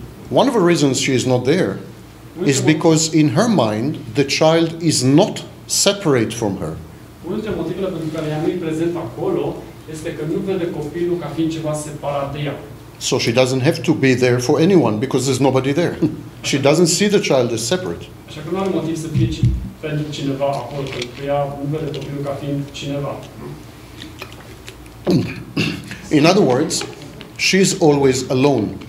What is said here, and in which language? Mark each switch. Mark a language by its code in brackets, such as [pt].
[en] One of the reasons she is not there is because in her mind the child is not separate from her. [ro] Unul dintre motivele pentru care ea nu e prezent acolo este că nu vede copilul ca fiind ceva separat de ea. [en] So she doesn't have to be there for anyone because there's nobody there. She doesn't see the child as separate. [ro] Așa că nu are motiv să fie pentru cineva acolo, pentru ea nu vede copilul ca fiind cineva. [en] In other words, she's always alone.